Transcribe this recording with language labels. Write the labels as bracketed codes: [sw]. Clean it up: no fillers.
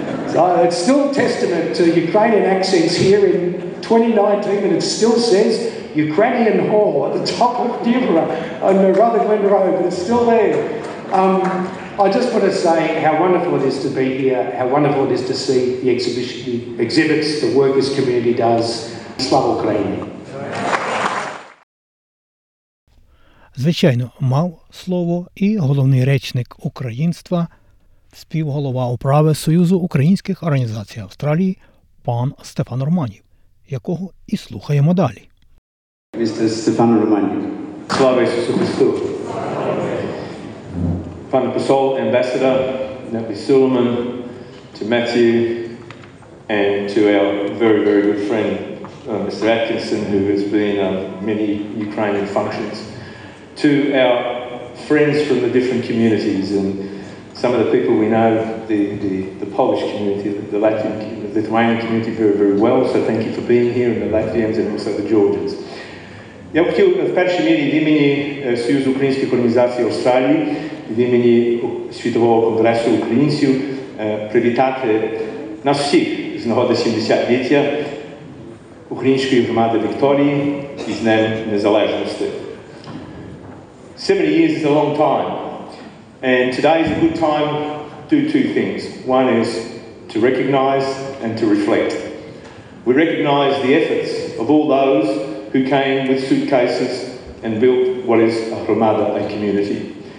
[en] So it's still a testament to Ukrainian accents here in 2019, and it still says Ukrainian Hall at the top of Dibra on the Rutherglen Road, but it's still there. I just want to say how wonderful it is to be here, how wonderful it is to see the exhibition, the exhibits the workers' community does. [uk] Slava Ukraini. Звичайно, мав слово і головний речник українства, співголова управи Союзу українських організацій Австралії пан Стефан Романів, якого і слухаємо далі. [en] Mr. Stefano Romagnoli. [uk] Slava Iisusu Hristu. [en] Pana Pasol, Ambassador, Natalie Suleiman, to Matthew, and to our very, very good friend, Mr. Atkinson, who has been on many Ukrainian functions. To our friends from the different communities, and some of the people we know, the Polish community, the Latvian, the Lithuanian community, very, very well, so thank you for being here, and the Latvians, and also the Georgians. [uk] Я хотів в першій мірі від імені Союзу Українських Організацій Австралії, від імені Світового Конгресу Українців привітати нас всіх з нагоди 70-ліття Української громади Вікторії і з Днем Незалежності. [en] 70 years is a long time, and today is a good time to do two things. One is to recognize and to reflect. We recognize the efforts of all those who came with suitcases and built what is a Hromada, a community.